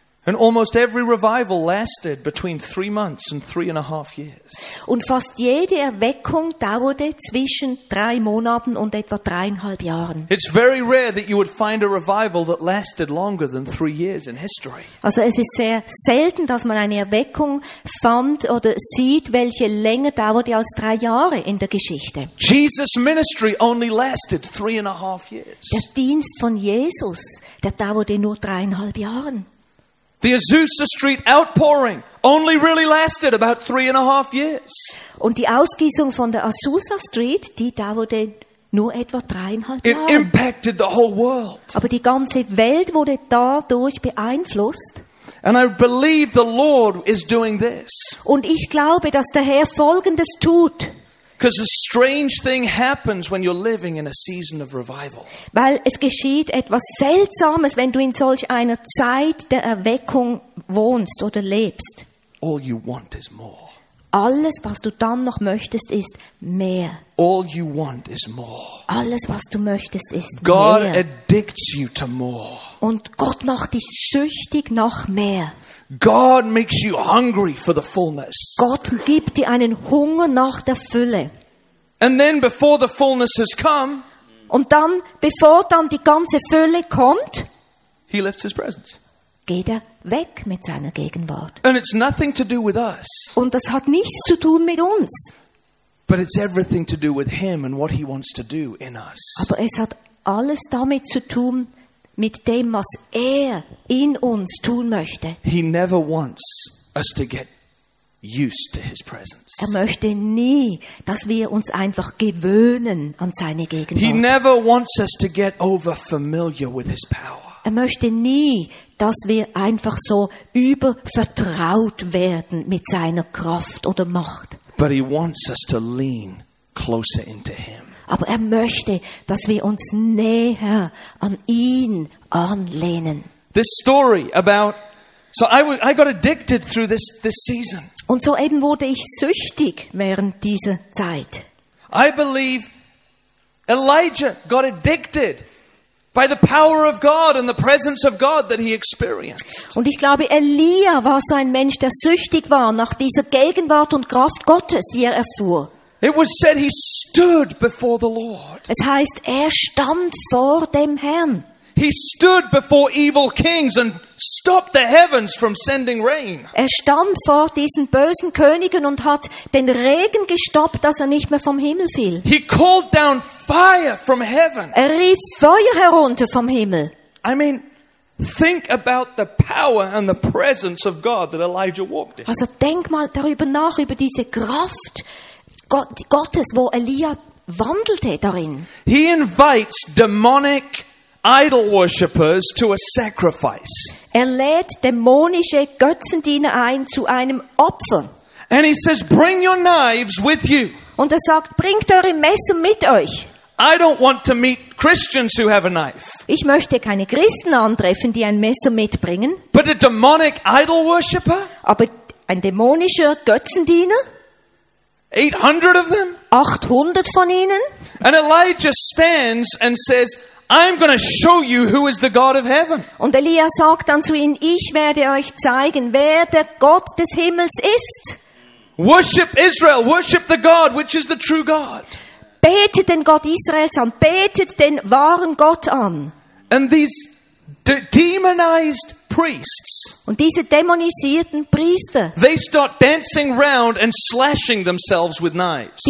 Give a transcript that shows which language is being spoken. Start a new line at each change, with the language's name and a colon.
English: And almost every revival lasted between 3 months and 3.5 years.
German: Und fast jede Erweckung dauerte zwischen 3 Monaten und etwa 3.5 Jahren.
English: It's very rare that you would find a revival that lasted longer than 3 years in history.
German: Also es ist sehr selten, dass man eine Erweckung fand oder sieht, welche länger dauerte als 3 Jahre in der Geschichte.
English: Jesus' ministry only lasted 3.5 years.
German: Der Dienst von Jesus, der dauerte nur 3.5 Jahren.
English: The Azusa Street outpouring only really lasted about 3.5 years.
German: Und die Ausgießung von der Azusa Street, die dauerte nur etwa 3.5 Jahre.
English: It impacted the whole world.
German: Aber die ganze Welt wurde dadurch beeinflusst.
English: And I believe the Lord is doing this.
German: Und ich glaube, dass der Herr Folgendes tut.
English: Because a strange thing happens when you're living in a season of revival.
German: Weil es geschieht etwas Seltsames, wenn du in solch einer Zeit der Erweckung wohnst oder lebst.
English: All you want is more.
German: Alles, was du dann noch möchtest, ist mehr.
English: All you want is more.
German: Alles, was du möchtest, ist
English: God
German: mehr.
English: Addicts you to more.
German: Und Gott macht dich süchtig nach mehr.
English: God makes you hungry for the fullness.
German: Gott gibt dir einen Hunger nach der Fülle.
English: And then before the fullness has come,
German: und dann, bevor dann die ganze Fülle kommt,
English: he lifts his presence.
German: Geht er weg mit seiner Gegenwart.
English: And it's nothing to do with us.
German: Und das hat nichts zu tun mit uns.
English: But it's everything to do with him and what he wants to do in us.
German: Aber es hat alles damit zu tun, mit dem, was er in uns tun möchte.
English: He never wants us to get used to his presence.
German: Er möchte nie, dass wir uns einfach gewöhnen an seine Gegenwart.
English: He never wants us to get over familiar with his power.
German: Er möchte nie, dass wir einfach so übervertraut werden mit seiner Kraft oder Macht.
English: But he wants us to lean closer into him.
German: Aber er möchte, dass wir uns näher an ihn anlehnen.
English: This story about, so I got addicted through this season.
German: Und so eben wurde ich süchtig während dieser Zeit.
English: I believe Elijah got addicted by the power of God and the presence of God that he experienced.
German: Und ich glaube, Elia war so ein Mensch, der süchtig war nach dieser Gegenwart und Kraft Gottes, die er erfuhr.
English: It was said he stood before the Lord.
German: Es heißt, er stand vor dem Herrn.
English: He stood before evil kings and stopped the heavens from sending rain.
German: Er stand vor diesen bösen Königen und hat den Regen gestoppt, dass er nicht mehr vom Himmel fiel.
English: He called down fire from heaven.
German: Er rief Feuer herunter vom Himmel.
English: I mean, think about the power and the presence of God that Elijah walked in.
German: Also denk mal darüber nach, über diese Kraft Gottes, wo Elia wandelte darin.
English: He invites demonic idol worshippers to a sacrifice.
German: Er lädt dämonische Götzendiener ein zu einem Opfer.
English: And he says, bring your knives with you.
German: Und er sagt, bringt eure Messer mit euch.
English: I don't want to meet Christians who have a knife.
German: Ich möchte keine Christen antreffen, die ein Messer mitbringen.
English: But a demonic idol worshipper?
German: Aber ein dämonischer Götzendiener?
English: 800 of them?
German: 800 von ihnen?
English: And Elijah stands and says, I'm going to show you who is the God of heaven.
German: Und Elia sagt dann zu ihnen, ich werde euch zeigen, wer der Gott des Himmels ist.
English: Worship Israel, worship the God which is the true God.
German: Betet den Gott Israels an, betet den wahren Gott an.
English: And these demonized priests.
German: Und diese dämonisierten Priester.
English: They start dancing round and slashing themselves with knives.